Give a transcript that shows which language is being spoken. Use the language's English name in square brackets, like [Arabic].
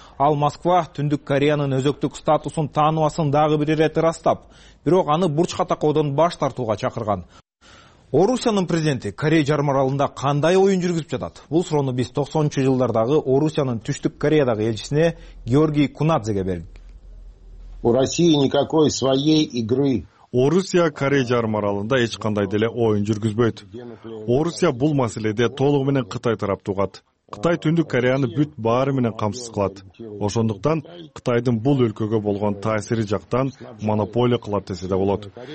[Kyrgyz] Ал Москва Түндүк Кореянын өзөктүк статусун таануусун дагы бир ирет ырастап, бирок аны бурчка такоодон баш тартууга чакырган. Орусиянын президенти Корея жарым аралында кандай оюн жүргүзүп жатат? Бул суроону биз 90-жылдардагы Орусиянын Түштүк Кореядагы элчисине Георгий Кунадзеге бердик. [Russian] У России никакой своей игры. [Kyrgyz] Орусия Корея жарым аралында эч кандай деле оюн жүргүзбөйт. Орусия бул маселеде толугу менен Кытай тарапта угат. Кытай Түндүк Кореяны бүт баары менен камсыз кылат. Ошондуктан Кытайдын бул өлкөгө болгон таасири жактан монополия кылат десе да болот.